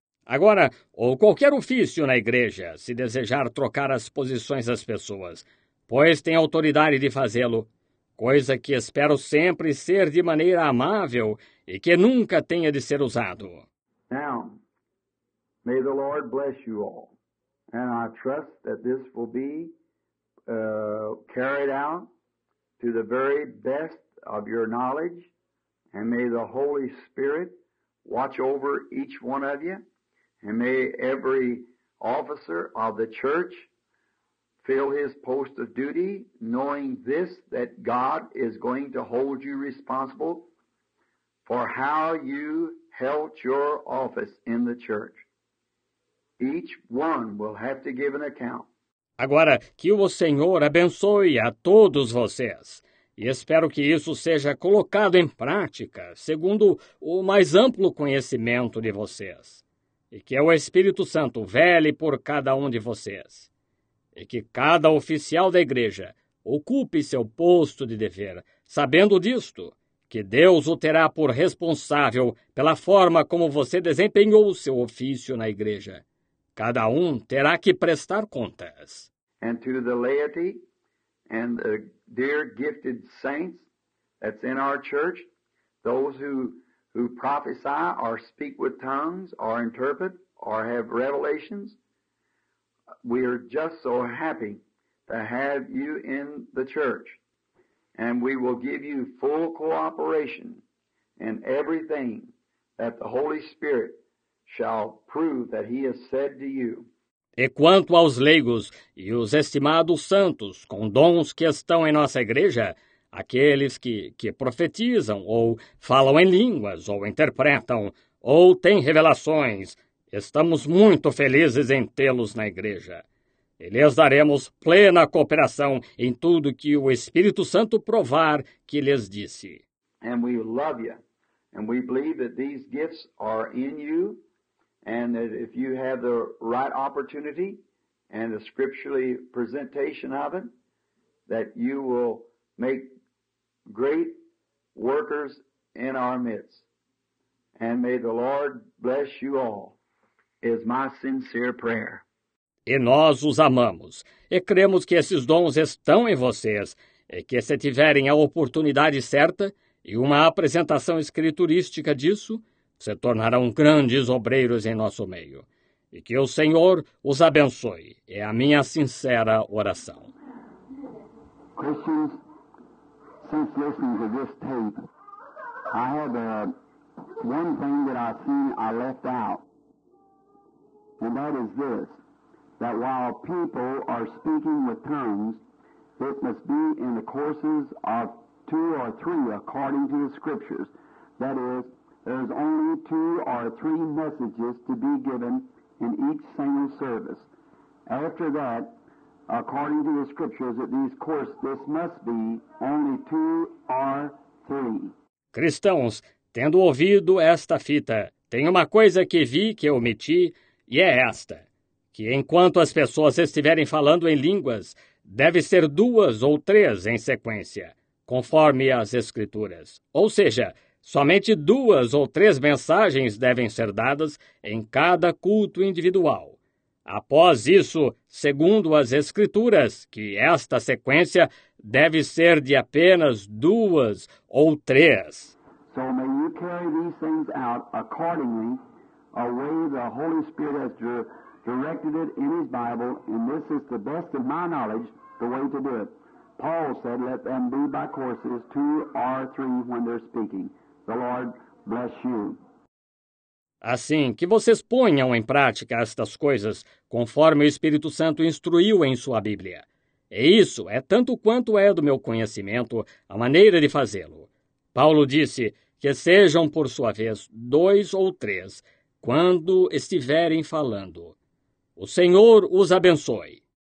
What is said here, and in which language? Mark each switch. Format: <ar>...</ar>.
<pt>Agora, ou qualquer ofício na igreja, se desejar trocar as posições das pessoas, pois tem autoridade de fazê-lo, coisa que espero sempre ser de maneira amável e que nunca tenha de ser usado.</pt> <en>Now, may the Lord bless you all, and I trust that this will be carried out to the very best of your knowledge, and may the Holy Spirit watch over each one of you. And may every officer of the church fill his post of duty, knowing this, that God is going to hold you responsible for how you held your office in the church. Each one will have to give an account.</en> <pt>Agora, que o Senhor abençoe a todos vocês. E espero que isso seja colocado em prática, segundo o mais amplo conhecimento de vocês. E que o Espírito Santo vele por cada um de vocês. E que cada oficial da igreja ocupe seu posto de dever, sabendo disto, que Deus o terá por responsável pela forma como você desempenhou o seu ofício na igreja. Cada um terá que prestar contas.</pt> <en>And to the laity and the dear gifted saints that's in our church, those who prophesy or speak with tongues or interpret or have revelations, we are just so happy to have you in the church, and we will give you full cooperation in everything that the Holy Spirit shall prove that he has said to you.</en> <pt>E quanto aos leigos e os estimados santos com dons que estão em nossa igreja, aqueles que profetizam, ou falam em línguas, ou interpretam, ou têm revelações, estamos muito felizes em tê-los na igreja. E lhes daremos plena cooperação em tudo que o Espírito Santo provar que lhes disse.</pt> <en>And we love you, and we believe that these gifts are in you, and that if you have the right opportunity and the scripturally presentation of it, that you will make great workers in our midst. And may the Lord bless you all, is my sincere prayer.</en> <pt>E nós os amamos, e cremos que esses dons estão em vocês, e que se tiverem a oportunidade certa e uma apresentação escriturística disso, se tornarão grandes obreiros em nosso meio. E que o Senhor os abençoe, é a minha sincera oração.</pt> <en>Christians, since listening to this tape, I have one thing that I see I left out, and that is this, that while people are speaking with tongues, It must be in the courses of two or three according to the Scriptures. That is, there is only two or three messages to be given in each single service. After that, according to the Scriptures, at these courses, this must be only two or three.</en> <pt>Cristãos, tendo ouvido esta fita, tem uma coisa que vi que omiti, e é esta, que enquanto as pessoas estiverem falando em línguas, deve ser duas ou três em sequência, conforme as Escrituras. Ou seja, somente duas ou três mensagens devem ser dadas em cada culto individual. Após isso, segundo as Escrituras, que esta sequência deve ser de apenas duas ou três.</pt> <en>So may you carry these things out accordingly, a way the Holy Spirit has directed it in His Bible, and this is the best of my knowledge, the way to do it. Paul said, let them be by courses, two or three when they're speaking. The Lord bless you.</en> <pt>Assim, que vocês ponham em prática estas coisas, conforme o Espírito Santo instruiu em sua Bíblia. E isso é tanto quanto é do meu conhecimento a maneira de fazê-lo. Paulo disse que sejam, por sua vez, dois ou três, quando estiverem falando. O Senhor os abençoe.</pt>